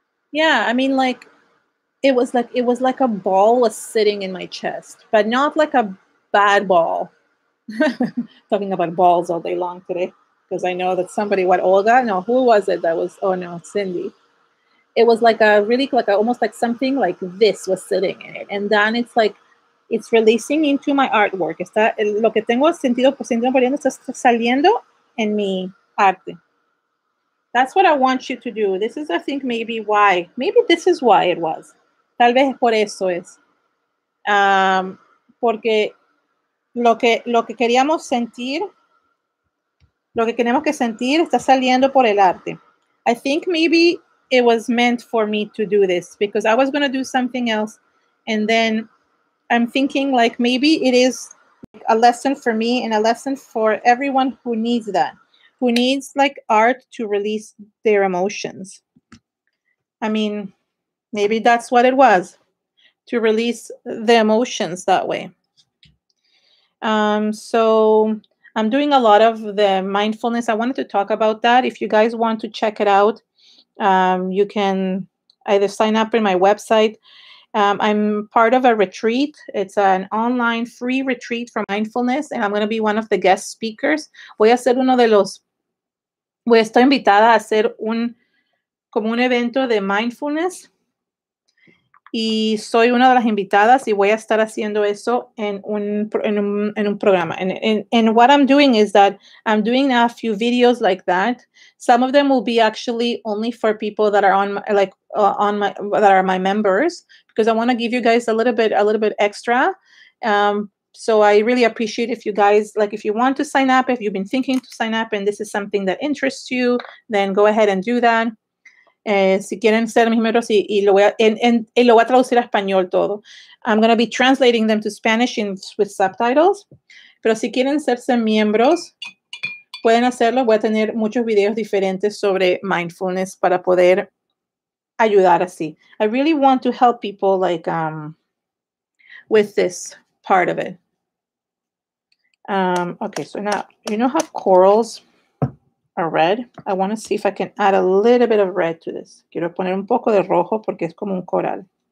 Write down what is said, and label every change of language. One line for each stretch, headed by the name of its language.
English: Yeah, I mean, like, it was like a ball was sitting in my chest, but not like a bad ball. Talking about balls all day long today, because I know that somebody, what, Olga? No, who was it that was, oh, no, Cindy. it was like a really, like a, almost like something like this was sitting in it. And then it's like, it's releasing into my artwork.
Spanish: Está, lo que tengo sentido, sentido por dentro, está saliendo en mi arte.
English: That's what I want you to do. This is, I think, maybe why. Maybe this is why it was.
Spanish: Tal vez por eso es. Porque lo que queríamos sentir, lo que queremos que sentir, está saliendo por el arte.
English: I think maybe it was meant for me to do this because I was going to do something else. And then I'm thinking, like, maybe it is a lesson for me and a lesson for everyone who needs that, who needs, like, art to release their emotions. I mean, maybe that's what it was, to release the emotions that way. So I'm doing a lot of the mindfulness. I wanted to talk about that. If you guys want to check it out, you can either sign up in my website. I'm part of a retreat. It's an online free retreat for mindfulness, and I'm going to be one of the guest speakers.
Spanish: Voy a ser uno de los, voy a estar invitada a hacer un, como un evento de mindfulness. Y soy una de las invitadas y voy a estar haciendo eso en un programa.
English: And what I'm doing is that I'm doing a few videos like that. Some of them will be actually only for people that are on my, like on my, that are my members, because I want to give you guys a little bit extra. So I really appreciate if you guys, like, if you want to sign up, if you've been thinking to sign up and this is something that interests you, then go ahead and do that.
Spanish: Si quieren ser mis miembros y lo voy a traducir a español todo.
English: I'm going to be translating them to Spanish in, with subtitles.
Spanish: Pero si quieren serse miembros, pueden hacerlo. Voy a tener muchos videos diferentes sobre mindfulness para poder ayudar así.
English: I really want to help people, like, with this part of it. Okay, so now, you know how corals a red. I want to see if I can add a little bit of red to this.
Spanish: Quiero poner un poco de rojo porque es como un coral.